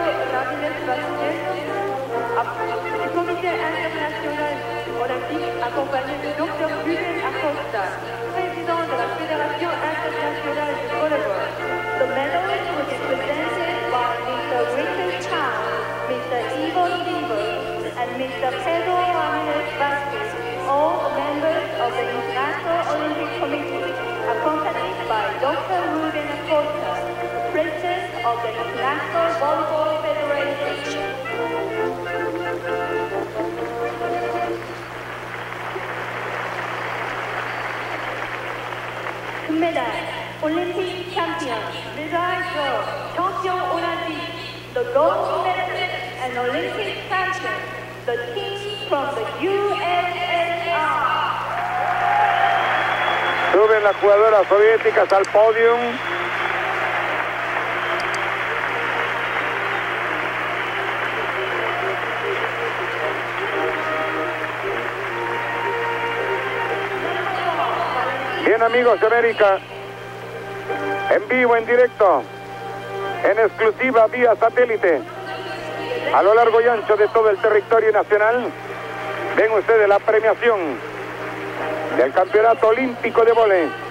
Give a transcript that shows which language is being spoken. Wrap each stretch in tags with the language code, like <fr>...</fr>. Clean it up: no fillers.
<fr>Le Comité International Olympique, accompagné du docteur Rubén Acosta, président de la Fédération Internationale de Volleyball.</fr> <en>The medal will be presented by Mr. Richard Chang, Mr. Ivo Lieber, and Mr. Pedro Ramirez Vázquez, all members of the International Olympic Committee, accompanied by Dr. Rubén Acosta, president of the International Volleyball Federation. Medal, Olympic champion, medal gold, champion Olympic, the gold medalist and Olympic champion, the team from the USSR.</en> <es>Suben las jugadoras soviéticas al podium. Amigos de América, en vivo, en directo, en exclusiva vía satélite, a lo largo y ancho de todo el territorio nacional, ven ustedes la premiación del Campeonato Olímpico de Vole.</es>